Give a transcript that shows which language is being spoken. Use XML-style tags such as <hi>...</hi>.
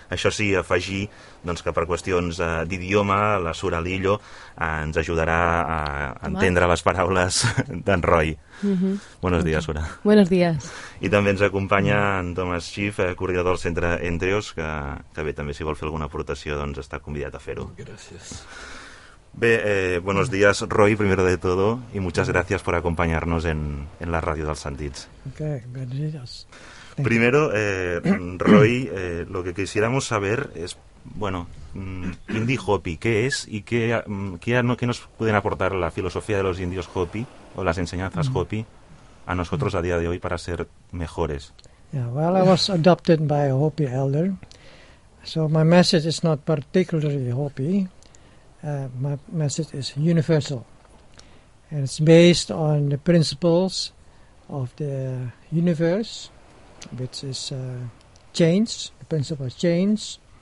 <ca>Això sí, afegir doncs que per qüestions d'idioma la Sura Lillo ens ajudarà a entendre les paraules d'en Roy.</ca> <es>Buenos días, Sura. Buenos días.</es> <ca>I també ens acompanya en Thomas Schiff, coordinador del centre Entreos, que bé, també si vol fer alguna aportació doncs està convidat a fer-ho. Gràcies.</ca> <es>Bé, buenos días, Roy, primero de todo, y muchas gracias por acompañarnos en la Ràdio dels Sentits. Okay, buenos días. Primero, Roy, lo que quisiéramos saber es, bueno, Indie Hopi, ¿qué es y qué nos pueden aportar la filosofía de los indios Hopi o las enseñanzas Hopi a nosotros a día de hoy para ser mejores?</es> <en>Yeah, well, I was adopted by a Hopi elder, so my message is not particularly Hopi. My message is universal, and it's based on the principles of the universe, which is change, the principle of change.</en>